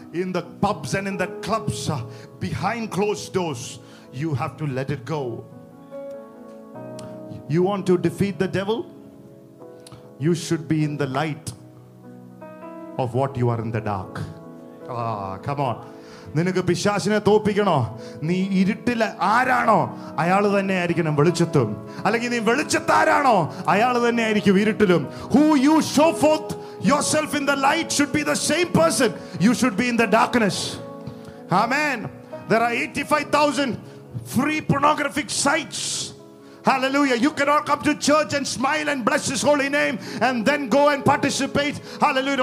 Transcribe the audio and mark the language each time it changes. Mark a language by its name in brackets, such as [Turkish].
[English] In the pubs and in the clubs, behind closed doors. You have to let it go. You want to defeat the devil? You should be in the light of what you are in the dark. Ah, come on. [Malayalam] നിനക്ക് പിശാചിനെ തോൽപ്പിക്കണോ? നീ ഇരുട്ടില് ആരാണോ അയാൾ തന്നെ ആയിരിക്കണം വെളിച്ചത്തും. അല്ലെങ്കിൽ നീ വെളിച്ചത്താരാണോ അയാൾ തന്നെ ആയിരിക്കും ഇരുട്ടിലും. [English] Who you show forth yourself in the light should be the same person you should be in the darkness. Amen. There are 85,000 free pornographic sites. Hallelujah. You cannot come to church and smile and bless His holy name and then go and participate. Hallelujah.